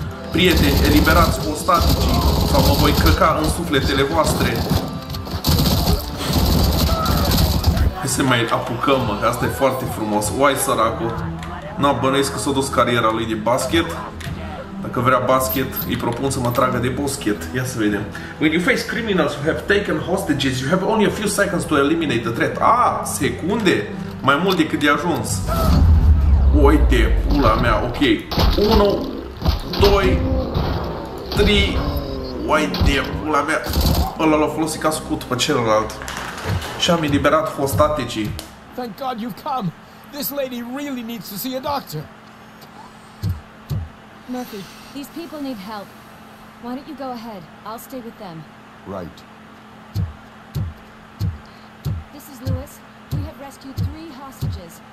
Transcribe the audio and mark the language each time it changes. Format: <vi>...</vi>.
<ro>Prieteni, eliberați ostaticii sau mă voi căca în sufletele voastre. Hai să mai apucăm, mă, că asta e foarte frumos. Uai, săracu. Nu bănuiesc că s-a dus cariera lui de basket. Dacă vrea basket, îi propun să mă tragă de boschet. Ia să vedem.</ro> <en>When you face criminals who have taken hostages, you have only a few seconds to eliminate the threat.</en> <ro>Ah, secunde? Mai mult decât de ajuns. Uite, pula mea, ok. 1, 2, 3. Uite, pula mea. Ăla l-a folosit ca scut pe celălalt. Și am eliberat hostaticii.</ro> <en>Thank God you've come. This lady really needs to see a doctor. Murphy, these people need help. Why don't you go ahead? I'll stay with them. Right. This is Lewis. We have rescued three hostages.</en>